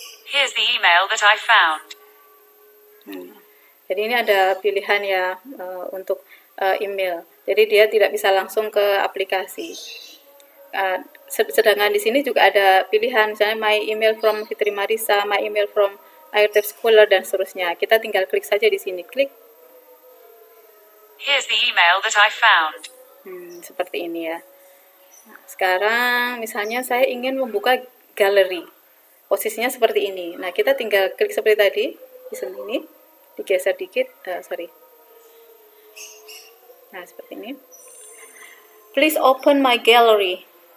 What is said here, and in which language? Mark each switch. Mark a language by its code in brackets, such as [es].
[en] Here's the email that I found. [id] Jadi ini ada pilihan ya untuk email. Jadi dia tidak bisa langsung ke aplikasi. Sedangkan di sini juga ada pilihan, misalnya [en] my email from Fitri Marisa, my email from Airtape Scholar [id] dan seterusnya. Kita tinggal klik saja di sini. Klik. [en] Here's the email that I found. [id] Seperti ini ya. Sekarang misalnya saya ingin membuka galeri. Posisinya seperti ini. Nah, kita tinggal klik seperti tadi di sini. Digeser dikit, sorry. Nah, seperti ini. [en] Please open my gallery.